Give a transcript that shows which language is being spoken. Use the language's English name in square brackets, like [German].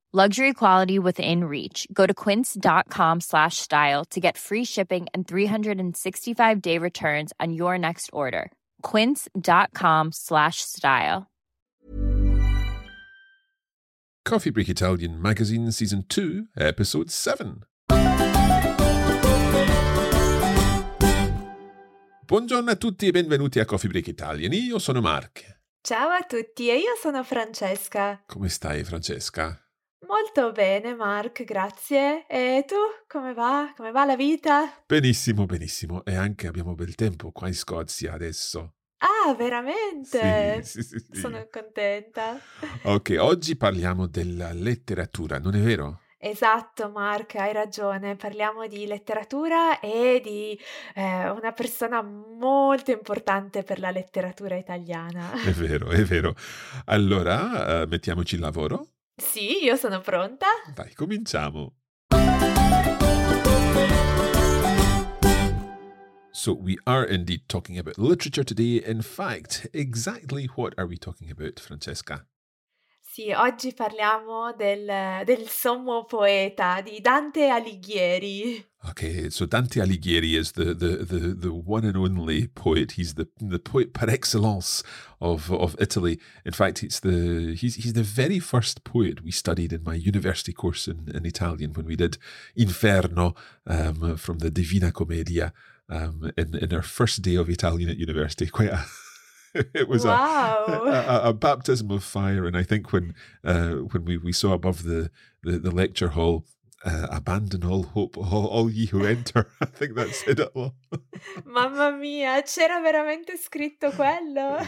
[English] Luxury quality within reach. Go to quince.com/style to get free shipping and 365-day returns on your next order. quince.com/style. Coffee Break Italian Magazine, Season 2, Episode 7. [Italian] Buongiorno a tutti e benvenuti a Coffee Break Italian. Io sono Mark. Ciao a tutti e io sono Francesca. Come stai, Francesca? Molto bene, Mark, grazie. E tu? Come va? Come va la vita? Benissimo, benissimo. E anche abbiamo bel tempo qua in Scozia adesso. Ah, veramente? Sì. Sono contenta. Ok, oggi parliamo della letteratura, non è vero? Esatto, Mark, hai ragione. Parliamo di letteratura e di una persona molto importante per la letteratura italiana. È vero, è vero. Allora, mettiamoci in lavoro? Sì, io sono pronta. Vai, cominciamo. [English] So we are indeed talking about literature today. In fact, exactly what are we talking about, Francesca? [Italian] Sì, oggi parliamo del sommo poeta, di Dante Alighieri. [English] Okay, so Dante Alighieri is the one and only poet. He's the poet par excellence of Italy. In fact, he's the very first poet we studied in my university course in Italian when we did Inferno from the Divina Commedia in our first day of Italian at university. Quite a... It was a baptism of fire, and I think when we saw above the lecture hall, abandon all hope, all ye who enter, I think that said it all. [Italian] Mamma mia, c'era veramente scritto quello?